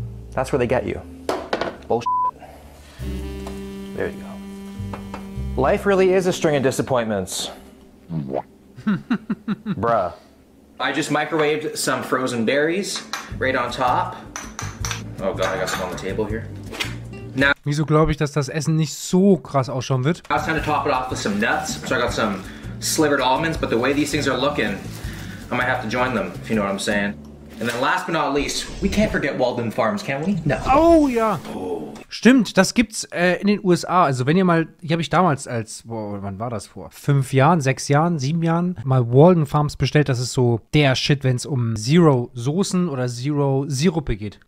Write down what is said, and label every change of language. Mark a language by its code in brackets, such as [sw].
[en] That's where they get you. Bullshit. There you go. Life really is a string of disappointments. Bruh. I just microwaved some frozen berries right on top. Oh god, I got some on the table here. [de] Now, wieso glaube ich, dass das Essen nicht so krass ausschauen wird? [en] I was trying to top it off with some nuts, so I got some slivered almonds, but the way these things are looking, I might have to join them, if you know what I'm saying. And then last but not least, we can't forget Walden Farms, can we? [de] No. Oh ja. Oh. Stimmt, das gibt's in den USA. Also wenn ihr mal, hier habe ich damals als, boah, wann war das vor? 5 Jahren, 6 Jahren, 7 Jahren mal Walden Farms bestellt. Das ist so der Shit, wenn es um Zero Soßen oder Zero Sirupe geht.